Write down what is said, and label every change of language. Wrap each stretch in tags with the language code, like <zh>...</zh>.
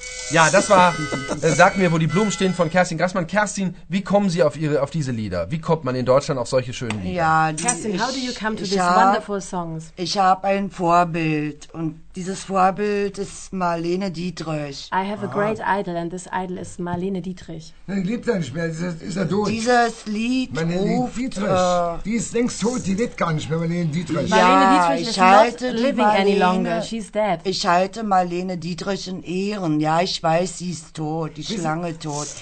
<de>Ja, das war Sag mir, wo die Blumen stehen von Kerstin Grassmann. Kerstin, wie kommen Sie auf diese Lieder? Wie kommt man in Deutschland auf solche schönen Lieder? Ja,</de> <en>Kerstin, how do you come to these wonderful songs?</en> <de>Ich habe ein Vorbild und dieses Vorbild ist Marlene Dietrich.</de> <en>I have a great idol and this idol is Marlene Dietrich.</en> <de>Nein, die lebt ja nicht mehr, ist er tot. Dieses Lied Marlene ruft... Marlene Dietrich, die ist längst tot, die lebt gar nicht mehr, Marlene Dietrich.</de> <en>Ja, Marlene Dietrich ist not living any longer, she's dead.</en> <de>Ich halte Marlene Dietrich in Ehren, ja, ich weiß, sie ist tot, die Schlange tot.</de>